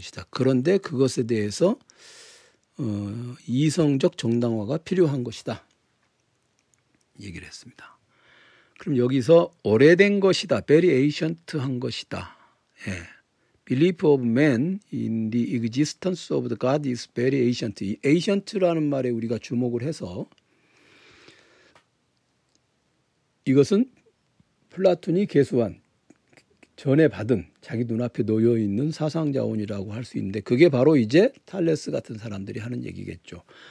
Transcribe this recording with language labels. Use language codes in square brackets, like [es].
[ko] 그런데 그것에 대해서, 이성적 정당화가 필요한 것이다. 얘기를 했습니다. 그럼 여기서 오래된 것이다. [en] Very ancient [ko] 한 것이다. 예. [en] Belief of man in the existence of the God is very ancient. [ko] Ancient라는 말에 우리가 주목을 해서 이것은 플라톤이 계수한 전에 받은 자기 눈앞에 놓여있는 사상자원이라고 할 수 있는데 그게 바로 이제 탈레스 같은 사람들이 하는 얘기겠죠.